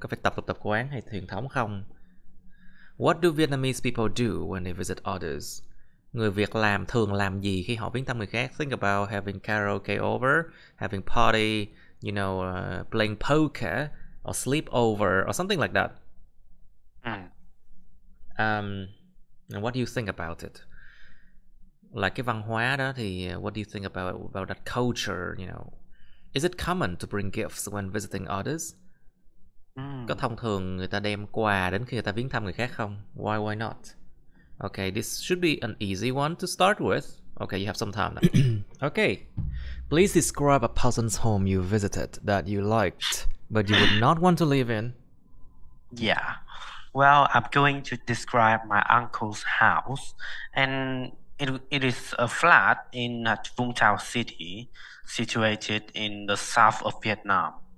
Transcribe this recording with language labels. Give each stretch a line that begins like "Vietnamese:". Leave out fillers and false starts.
Vietnamese: Có phải tập quán hay truyền thống không?
English: What do Vietnamese people do when they visit others?
Vietnamese: Người Việt làm thường làm gì khi họ viếng thăm người khác?
English: Think about having karaoke over, having party, you know, playing poker or sleepover or something like that. And what do you think about it? Like
Vietnamese: cái văn hóa đó thì
English: what do you think about that culture, you know? Is it common to bring gifts when visiting others?
Vietnamese: Có thông thường người ta đem quà đến khi người ta viếng thăm người khác không?
English: Why not? Okay, this should be an easy one to start with. Okay, you have some time now. Okay. Please describe a person's home you visited that you liked, but you would not want to live in. Yeah. Well, I'm going to describe my uncle's house, and it is a flat in Vung Tau city, situated in the south of Vietnam.